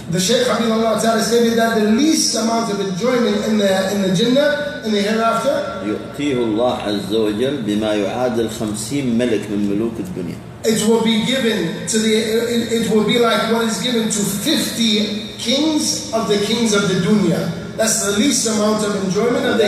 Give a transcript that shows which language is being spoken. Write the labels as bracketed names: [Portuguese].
[English] The Shaykh Hafidh Allah Ta'ala stated that the least amount of enjoyment in the Jannah, in the hereafter, [Arabic] يؤتيه الله عز وجل بما يعادل 50 ملك من ملوك الدنيا. [English] It will be given to the. It will be like what is given to 50 kings of the kings of the dunya. That's the least amount of enjoyment of the